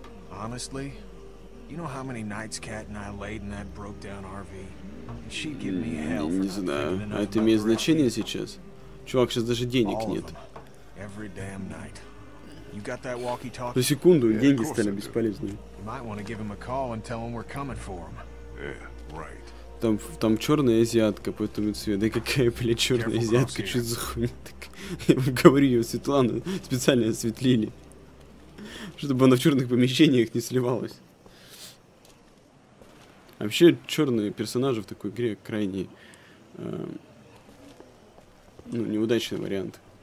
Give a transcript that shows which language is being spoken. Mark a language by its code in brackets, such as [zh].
[en] Honestly, you know how many nights Kat and I laid in that broke down RV? She'd give me hell for not thinking enough. [ru] Это имеет значение сейчас? Чувак, сейчас даже денег нет. [en] Every damn night. You got that walkie-talkie? [ru] За секунду деньги стали бесполезными. [en] You might want to give him a call and tell him we're coming for him. Yeah, right. [ru] Там черная азиатка по этому цвету. Да какая, бля, черная азиатка? Что это за хуйня такая? Я говорю ее, Светлану специально осветлили. Чтобы она в черных помещениях не сливалась. Вообще, черные персонажи в такой игре крайне... ну, неудачный вариант.